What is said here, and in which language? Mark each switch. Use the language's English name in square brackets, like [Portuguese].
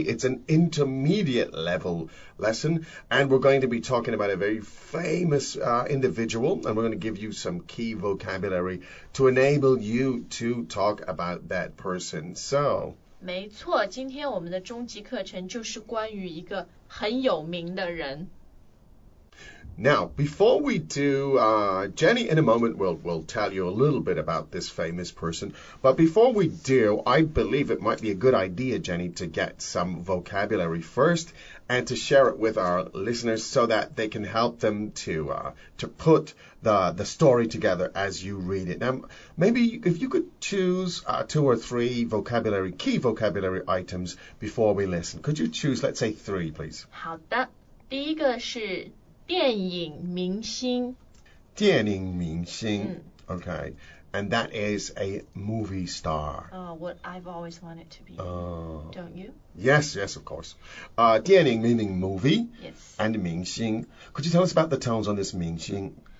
[English] It's an intermediate level lesson, and we're going to be talking about a very famous individual, and we're going to give you some key vocabulary to enable you to talk about that person. So... [Chinese] 没错，今天我们的终极课程就是关于一个很有名的人。 [English] Now, before we do, Jenny, in a moment, we'll tell you a little bit about this famous person. But before we do, I believe it might be a good idea, Jenny, to get some vocabulary first and to share it with our listeners so that they can help them to put the story together as you read it. Now, maybe if you could choose two or three vocabulary, key vocabulary items before we listen. Could you choose, let's say, three, please? [Chinese] 好的，第一个是电影明星。电影明星、 [English] 嗯、okay, and that is a movie star. What I've always wanted to be, don't you? Yes, of course. 电影 meaning movie, yes. And 明星. Could you tell us about the tones on this 明星?